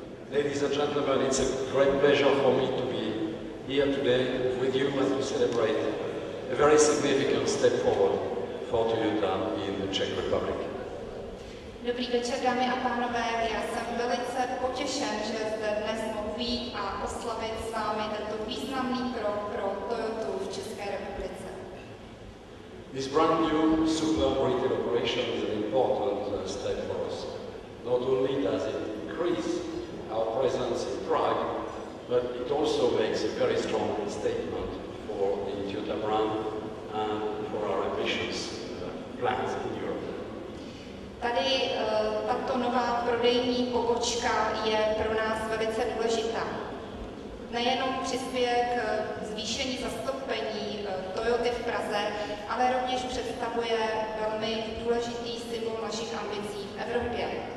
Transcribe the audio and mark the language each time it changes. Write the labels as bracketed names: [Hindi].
[English] Ladies and gentlemen, it's a great pleasure for me to be here today with you as we celebrate a very significant step forward for Toyota in the Czech Republic. [Czech] Dobrý večer, dámy a pánové. Já jsem velice potěšen, že zde dnes mohu být a oslavit s vámi tento významný krok pro Toyotu v České republice. [English] This brand new super retail operation is an important step for us. Not only does it increase our presence in Prague, but it also makes a very strong statement for the Toyota brand and for our ambitious plans in Europe. [Czech] Tady tato nová prodejní pobočka je pro nás velice důležitá. Nejenom přispěje k zvýšení zastoupení Toyoty v Praze, ale rovněž představuje velmi důležitý symbol našich ambicí v Evropě.